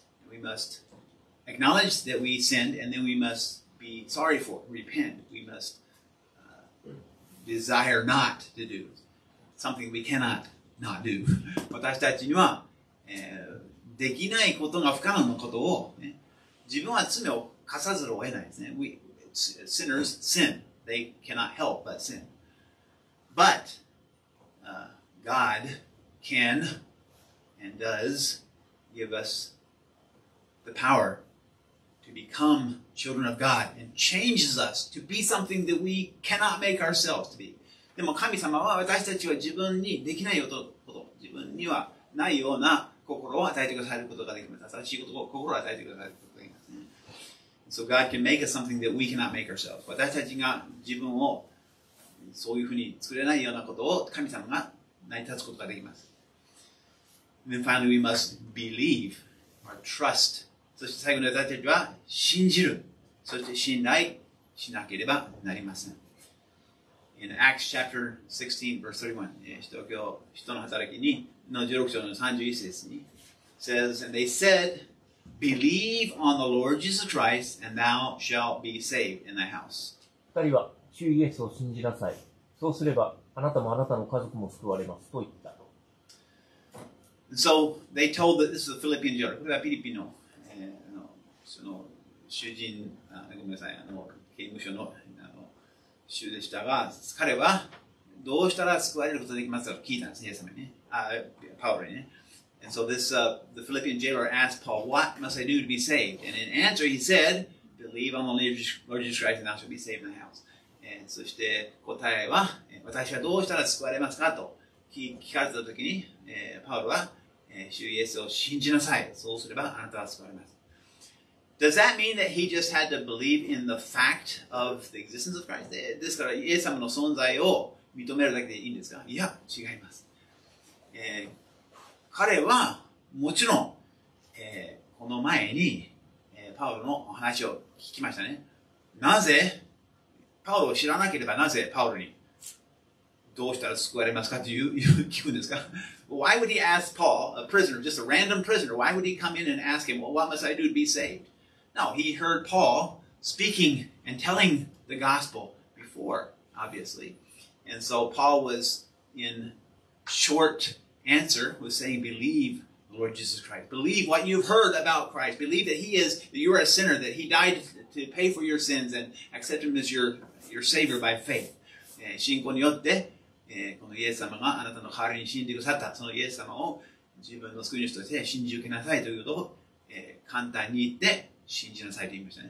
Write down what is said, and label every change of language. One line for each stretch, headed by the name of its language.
English: We must acknowledge that we sinned, and then we must be sorry for, repent. We must desire not to do something we cannot. Not do.
Japanese: 私たちには、できないことが不可能なことを、ね、自分は罪を犯さざるを得ないですね。
English: Sinners sin. They cannot help but sin. But, God can and does give us the power to become children of God and changes us to be something that we cannot make ourselves to be.
Japanese: でも神様は私たちは自分にできないよと自分にはないような心を与えてくださることができます。新しいことを心を与えてくださることができます、ね。
English: So God can make us something that we cannot make ourselves.
Japanese: 私たちが自分をそういうふうに作れないようなことを神様が成り立つことができます。
English: And then finally, we must believe or trust.
Japanese: そして最後に私たちは信じる。そして信頼しなければなりません。
English: In Acts chapter 16, verse 31,
Japanese: 人の働きの16章の31節に
English: says, And they said, Believe on the Lord Jesus Christ, and thou shalt be saved in thy house.
Japanese: 二人は、主イエスを信じなさい。そうすれば、あなたもあなたの家族も救われます。と言った。
English: So, they told that this is a Philippian jailer.
Japanese: これはフィリピンの、その囚人、ごめんなさい、刑務所の主でしたが、彼はどうしたら救われることができますかと聞いたんですね、イエス様にね。パウロにね。
English: And so this, the Philippian jailer asked Paul, What must I do to be saved? And in answer, he said, Believe on the Lord Jesus Christ and I shall be saved in the house.
Japanese: And そして答えは、私はどうしたら救われますかと聞かれたときに、パウロは、主イエスを信じなさい。そうすればあなたは救われます。
English: Does that mean that he just had to believe in the fact of the existence of Christ?
Japanese: ですから、イエス様の存在を認めるだけでいいんですか？いや、違います。彼はもちろん、この前に、パウロのお話を聞きましたね。なぜ、パウロを知らなければなぜパウロにどうしたら救われますかという聞くんですか？
English: Why would he ask Paul, a prisoner, just a random prisoner, why would he come in and ask him, well, what must I do to be saved? Now, he heard Paul speaking and telling the gospel before, obviously. And so Paul was in short answer, was saying, Believe the Lord Jesus Christ. Believe what you've heard about Christ. Believe that he is, that you are a sinner, that he died to pay for your sins and accept him as your savior by faith.
Japanese: 信仰によって、このイエス様があなたの代わりに死んでくださった。そのイエス様を自分の救い主として信じ受けなさいということを、簡単に言って、信じなさいと言いましたね。